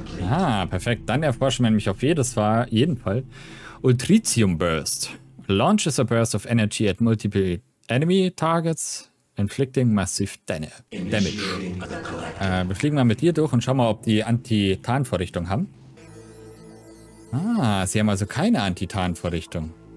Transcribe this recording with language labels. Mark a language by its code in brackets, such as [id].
[de] Ah, perfekt. Dann erforschen wir nämlich auf jeden Fall. [en] Ultritium Burst. Launches a burst of energy at multiple enemy targets, inflicting massive damage. [de] Wir fliegen mal mit dir durch und schauen mal, ob die Antitan-Vorrichtung haben. Ah, sie haben also keine Antitan-Vorrichtung.